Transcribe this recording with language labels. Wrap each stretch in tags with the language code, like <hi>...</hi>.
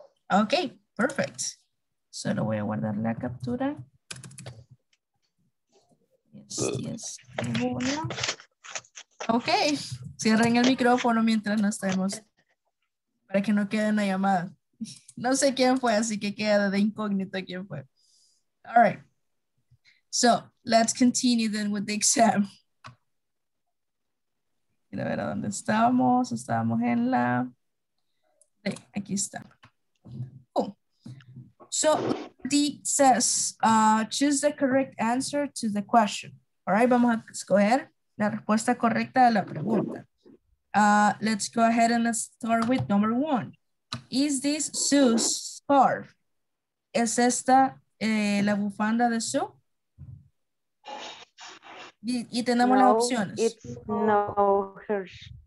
<es>Ok, perfect. Solo voy a guardar la captura.</es> <en>Yes, yes. Una.</en> <es>Ok, cierren el micrófono mientras no estemos, para que no quede una llamada. No sé quién fue, así que queda de incógnito quién fue.</es> <en>All right, so let's continue then with the exam.</en> <es>Quiero ver a dónde estábamos, estábamos en la... Sí, aquí está. Cool.</es> <en>So, D says, choose the correct answer to the question.</en> <es>All right, vamos a escoger la respuesta correcta a la pregunta.</es> <en>Let's go ahead and let's start with number one.</en> <es>Is this Sue's scarf? ¿Es esta la bufanda de Sue? Y tenemos las opciones.</es>